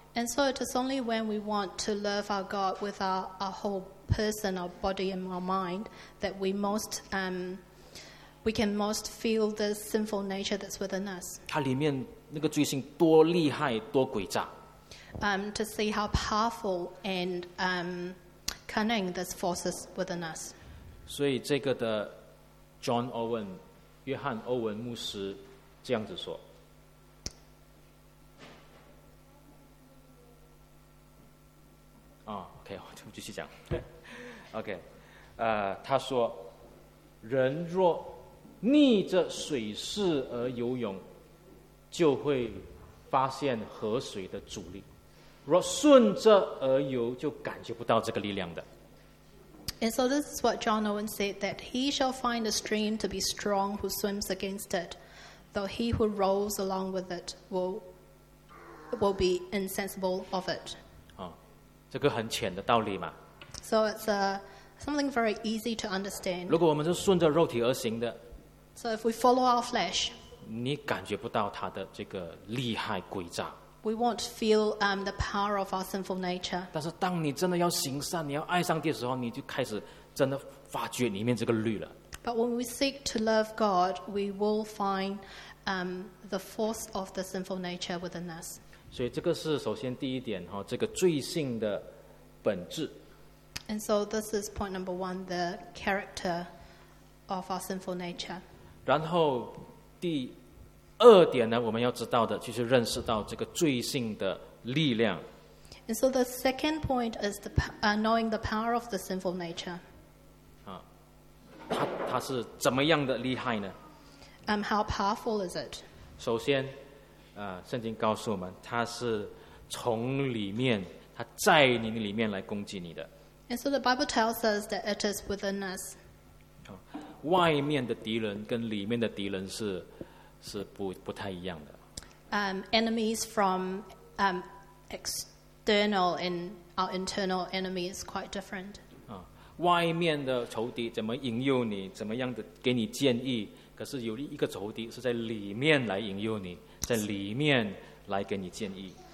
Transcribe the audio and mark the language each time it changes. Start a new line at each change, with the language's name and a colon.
English: And so it is only when we want to love our God with our whole person, our body and our mind, that we most we can most feel the sinful nature that's within us.
Chinese: 它里面那个罪性多厉害多诡诈。
English: To see how powerful and cunning this forces within us.
Chinese: 所以这个的 John Owen, 约翰欧文牧师这样子说。 OK, 我就继续讲。 OK, 他说人若逆着水势而游泳，就会发现河水的阻力。若顺着而游，就感觉不到这个力量的。
English: And so this is what John Owen said, that he shall find a stream to be strong who swims against it, though he who rolls along with it will be insensible of it.
Chinese: 哦，这个很浅的道理嘛。
English: So it's something very easy to understand.
Chinese: 如果我们是顺着肉体而行的。
English: So if we follow our flesh,
Chinese: 你感觉不到它的这个厉害诡诈。
English: We won't feel the power of our sinful nature.
Chinese: 但是当你真的要行善，你要爱上帝的时候，你就开始真的发觉里面这个律了。
English: But when we seek to love God, we will find the force of the sinful nature within us.
Chinese: 所以这个是首先第一点哈，这个罪性的本质。
English: And so this is point number one, the character of our sinful nature.
Chinese: 然后第二点呢，我们要知道的就是认识到这个罪性的力量。
English: And so the second point is the knowing the power of the sinful nature.
Chinese: 啊，它是怎么样的厉害呢？
English: How powerful is it?
Chinese: 首先，圣经告诉我们，它是从里面，它在你里面来攻击你的。
English: And so the Bible tells us that it is within us.
Chinese: 外面的敌人跟里面的敌人是不太一样的。
English: Enemies from external and our internal enemy is quite different.
Chinese: 外面的仇敌怎么引诱你，怎么样的给你建议，可是有一个仇敌是在里面来引诱你，在里面来给你建议。